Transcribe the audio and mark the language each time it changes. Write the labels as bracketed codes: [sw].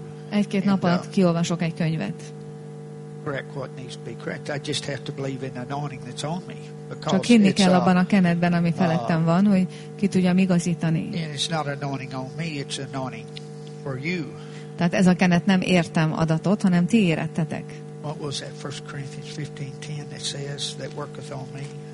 [hu] Egy-két nap alatt kiolvasok egy könyvet. [en] correct what needs to be correct. I just have to believe in the anointing that's on me. [hu] Csak hinni kell abban a kenetben, ami felettem van, hogy ki tudjam igazítani. [en] And it's not anointing on me, it's anointing for you. [hu] Tehát ez a kenet nem értem adatot, hanem ti érettetek. [en] What was that 1 Corinthians 15:10 that says that worketh on me?